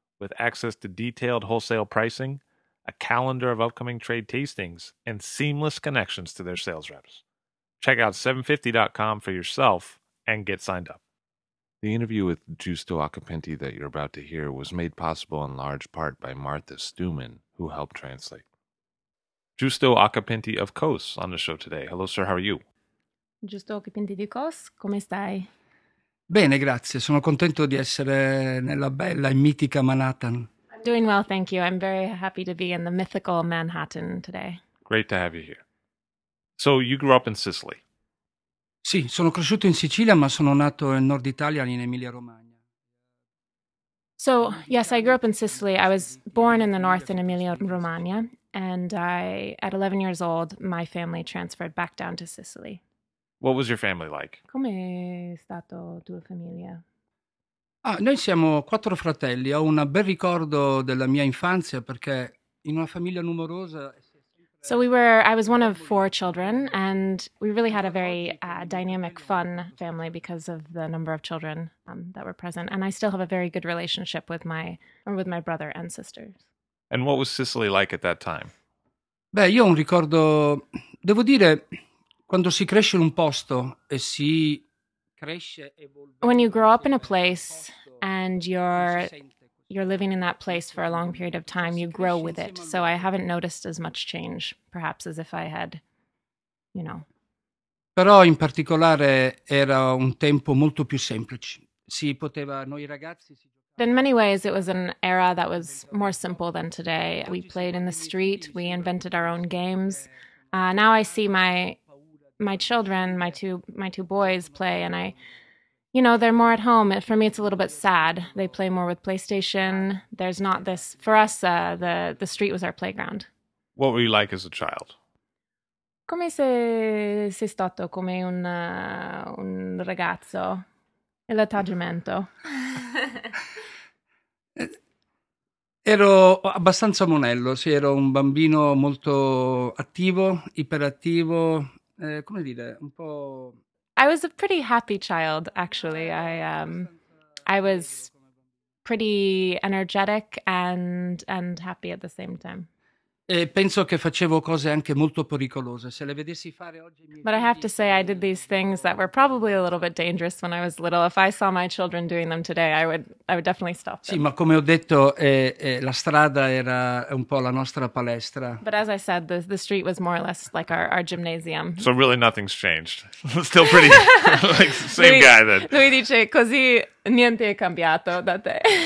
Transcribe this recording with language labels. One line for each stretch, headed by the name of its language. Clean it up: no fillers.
English: With access to detailed wholesale pricing, a calendar of upcoming trade tastings, and seamless connections to their sales reps. Check out 750.com for yourself and get signed up. The interview with Giusto Accapinti that you're about to hear was made possible in large part by Martha Stuman, who helped translate. Giusto Accapinti of Cos on the show today. Hello, sir. How are you?
Italian: Giusto Accapinti di Cos, come stai? Bene, grazie. Sono contento di essere nella bella e mitica Manhattan.
English: I'm doing well, thank you. I'm very happy to be in the mythical Manhattan today. Great to have you here. So you grew up in Sicily.
Italian: Sì, sono cresciuto in Sicilia, ma sono nato in Nord Italia, in Emilia Romagna.
English: So, yes, I grew up in Sicily. I was born in the north in Emilia Romagna. And I, at 11 years old, my family transferred back down to Sicily. What was your family like?
Italian: Come è stato tua famiglia? Ah, noi siamo quattro fratelli. Ho un bel ricordo della mia infanzia perché in una famiglia numerosa.
English: So we were, I was one of four children, and we really had a very dynamic, fun family because of the number of children that were present. And I still have a very good relationship with my brother and sisters. And what was Sicily like at that time?
Italian: Beh, io ho un ricordo, devo dire, quando si cresce in un posto e si cresce
English: When you grow up in a place
Italian: evolvendosi
English: and you're living in that place for a long period of time, you grow with it. So I haven't noticed as much change, perhaps, as if I had, you know.
Italian: Però in particolare era un tempo molto più semplice. Si poteva, noi ragazzi si
English: In many ways, it was an era that was more simple than today. We played in the street, we invented our own games. Now I see my my children, my two boys play, and I, you know, they're more at home. For me, it's a little bit sad. They play more with PlayStation. There's not this for us. The street was our playground. What were you like as a child?
Italian: Come sei stato come un ragazzo, il attaggiamento. Ero abbastanza monello, sì, ero un bambino molto attivo, iperattivo, come dire, un po'.
English: I was a pretty happy child, actually. I was pretty energetic and happy at the same time.
Italian: E penso che facevo cose anche molto pericolose. Se le vedessi fare oggi.
English: But I have to say, I did these things that were probably a little bit dangerous when I was little. If I saw my children doing them today, I would definitely stop them.
Italian: Sì, ma come ho detto, la strada era un po' la nostra palestra.
English: But as I said, the street was more or less like our gymnasium. So really, nothing's changed. Still pretty like same
Italian: lui,
English: guy then.
Italian: Lui dice così niente è cambiato da te.